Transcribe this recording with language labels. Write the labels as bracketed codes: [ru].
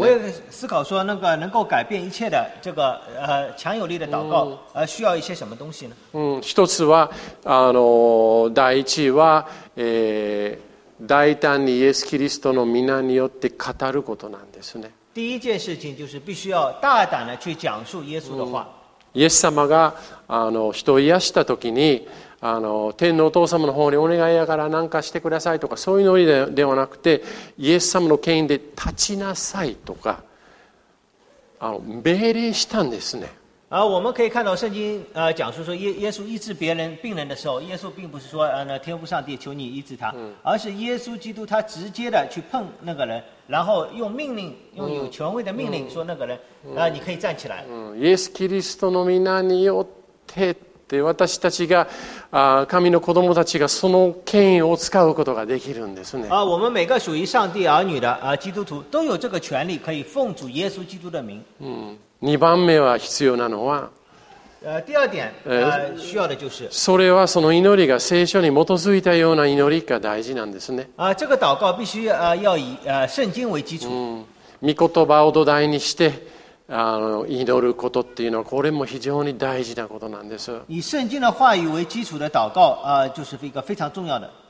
[zh] 我也思考说，那个能够改变一切的这个强有力的祷告，需要一些什么东西呢？ [ja] 一つは第一は、大胆にイエスキリストの皆によって語ることなんですね。 [zh] 第一件事情就是必须要大胆的去讲述耶稣的话。 [ja] イエス様が人を癒した時に天のお父様の方にお願いやから何かしてくださいとかそういうのではなくて、イエス様の権威で立ちなさいとか命令したんですね。 [zh] 我们可以看到圣经讲述说耶稣医治别人病人的时候，耶稣并不是说天父上帝求你医治他，而是耶稣基督他直接的去碰那个人，然后用命令，用有权威的命令说那个人你可以站起来。 [ja] イエスキリストの皆によってで私たちが神の子供たちがその権威を使うことができるんですね。 [zh] 我们每个属于上帝儿女的基督徒都有这个权利，可以奉主耶稣基督的名。 [ja] 二番目は必要なのは。 [zh] 第二点需要的就是。 [ja] それはその祈りが聖書に基づいたような祈りが大事なんですね。 [zh] 这个祷告必须要以圣经为基础。 [ja] 御言葉を土台にして。祈ることっていうのはこれも非常に大事なことなんです。 [zh] 以圣经的话语为基础的祷告，就是一个非常重要的。